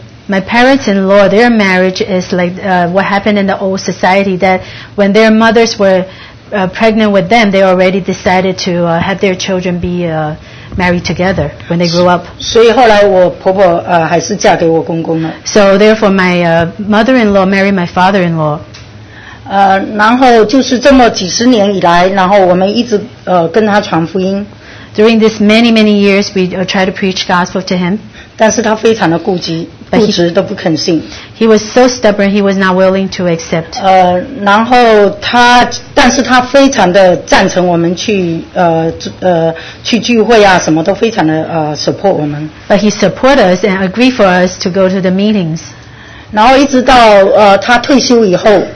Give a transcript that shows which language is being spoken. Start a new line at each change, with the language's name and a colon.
English: My parents-in-law, their marriage is like what happened in the old society, that when their mothers were pregnant with them, they already decided to have their children be married together when they grew up.
Chinese: 所以后来我婆婆, 还是嫁给我公公了。
English: So therefore, my mother-in-law married my father-in-law.
Chinese: 然后就是这么几十年以来，然后我们一直跟他传福音。
English: During this many many years, we try to preach gospel to him.
Chinese: 但是他非常的固执，固执都不肯信。
English: He was so stubborn, he was not willing to accept.
Chinese: 然后他，但是他非常的赞成我们去去聚会啊，什么都非常的support 我们。
English: But he support us and agree for us to go to the meetings.
Chinese: 然后一直到他退休以后。